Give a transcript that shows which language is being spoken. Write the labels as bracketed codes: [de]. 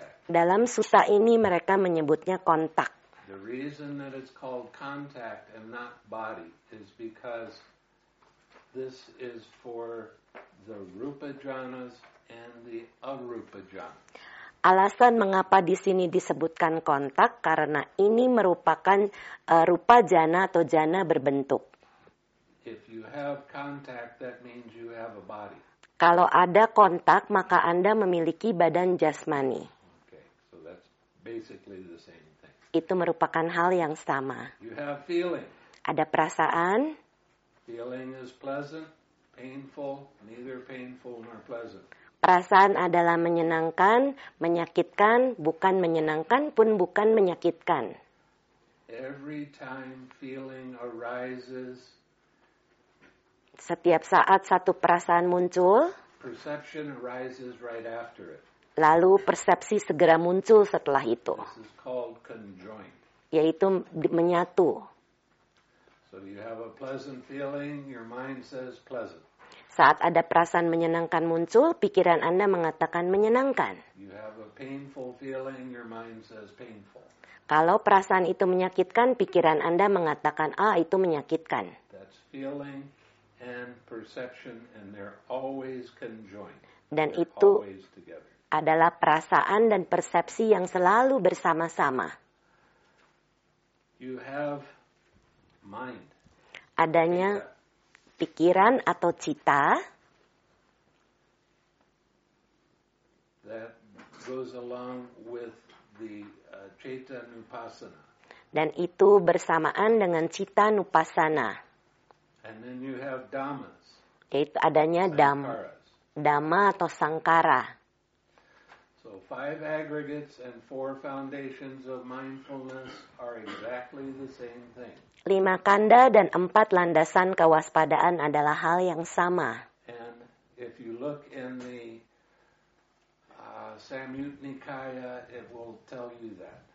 [id] dalam sutta ini mereka menyebutnya kontak. [en] The reason that it's called contact and not body is because this is for the rupa jhanas and the arupa jhanas. [id] Alasan mengapa di sini disebutkan kontak karena ini merupakan rupa jhana atau jhana berbentuk. [en] If you have contact, that means you have a body. [id] Kalau ada kontak, maka Anda memiliki badan jasmani. [en] Okay, so that's basically the same thing. [id] Itu merupakan hal yang sama. [en] You have feeling. [id] Ada perasaan. [en] Feeling is pleasant, painful, neither painful nor pleasant. [id] Perasaan adalah menyenangkan, menyakitkan, bukan menyenangkan pun bukan menyakitkan. [en] Every time feeling arises, [id] setiap saat satu perasaan muncul, [en] perception arises right after it. [id] Lalu persepsi segera muncul setelah itu. [en] This is called conjoint. [id] Yaitu menyatu. [en] So you have a pleasant feeling, your mind says pleasant. [id] Saat ada perasaan menyenangkan muncul, pikiran Anda mengatakan menyenangkan. [en] You have a painful feeling, your mind says painful. [id] Kalau perasaan itu menyakitkan, pikiran Anda mengatakan, ah, itu menyakitkan. [en] That's feeling and perception, and they're always conjoined. [id] Dan itu adalah perasaan dan persepsi yang selalu bersama-sama. [en] You have mind. [id] Adanya pikiran atau cita [en] that goes along with the citta nupassana. [id] Dan itu bersamaan dengan cita nupassana. [en] And then you have dhammas. [id] Yaitu adanya dhamma atau sangkara. [en] So five aggregates and four foundations of mindfulness are exactly the same thing. [id] Lima khandha dan empat landasan kewaspadaan adalah hal yang sama. [en] And if you look in the Samyutta Nikaya, it will tell you that.